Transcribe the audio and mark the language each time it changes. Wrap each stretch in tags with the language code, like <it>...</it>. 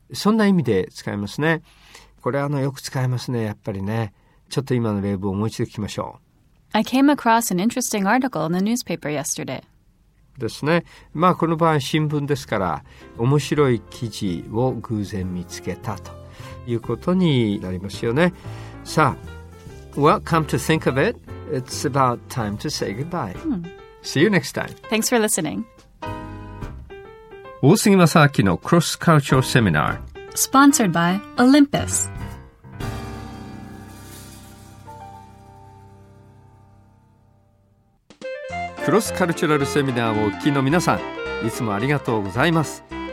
<ja>そんな意味で使いますね。これはよく使いますね、やっぱりね。ちょっと今の例文をもう一度聞きましょう。</ja> <en>I came across an interesting article in the newspaper yesterday.</en> <ja>ですね。まあこの場合新聞ですから、面白い記事を偶然見つけたということになりますよね。さあ、</ja> <en>Well, come to think of it, it's about time to say goodbye. See you next time. Thanks for listening.</en> <ja>大杉正明のクロスカルチャーセミナー。</ja> <en>Sponsored by Olympus.</en> <ja>クロスカルチュラルセミナーをお聞きの皆さん、いつもありがとうございます。</ja>